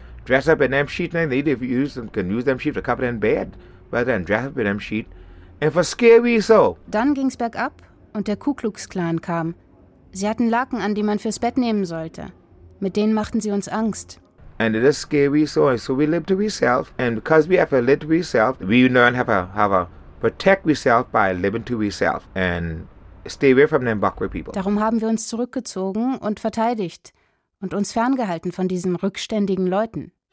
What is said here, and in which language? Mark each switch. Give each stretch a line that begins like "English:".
English: dress up in them sheet, and they if you use them, can use them sheet to cover in bed, rather than dress up in them sheet. And for scare we so.
German: Dann ging's bergab und der Ku Klux Klan kam. Sie hatten Laken an, die man fürs Bett nehmen sollte. Mit denen machten sie uns Angst.
English: And it is scary, so we live to ourselves. And because we have to live to ourselves, we learn how to protect ourselves by living to ourselves and stay away from them Bakwe people.
German: Darum haben wir uns zurückgezogen und verteidigt und uns ferngehalten von diesen rückständigen Leuten.